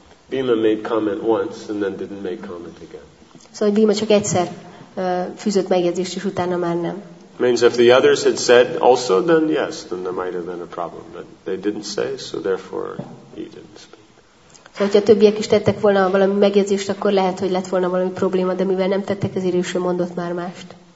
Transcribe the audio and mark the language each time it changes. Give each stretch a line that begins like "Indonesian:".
English: Bhima made comment once, and then didn't make comment again.
Hungarian: Szóval Bhima csak egyszer fűzött megjegyzést, és utána már nem.
English: Means if the others had said also, then yes, then there might have been a problem. But they didn't say, so therefore he didn't speak.
Hungarian: Szóval, hogyha többiek is tettek volna valami megjegyzést, akkor lehet, hogy lett volna valami probléma, de mivel nem tettek, ezért ő sem mondott már mást.